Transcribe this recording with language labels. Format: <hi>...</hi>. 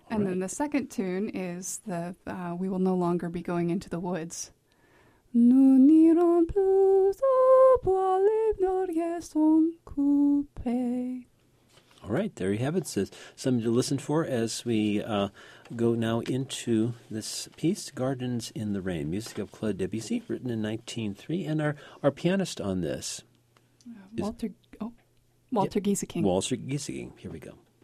<en>And then the second tune is the We Will No Longer Be Going Into the Woods.</en> <fr>Nous n'irons plus au bois, les noirs sont coupés.</fr> <en>All right, there you have it. So, something to listen for as we go now into this piece, Gardens in the Rain, music of Claude Debussy, written in 1903. And our pianist on this Walter Gieseking. Walter Gieseking. Here we go.</en>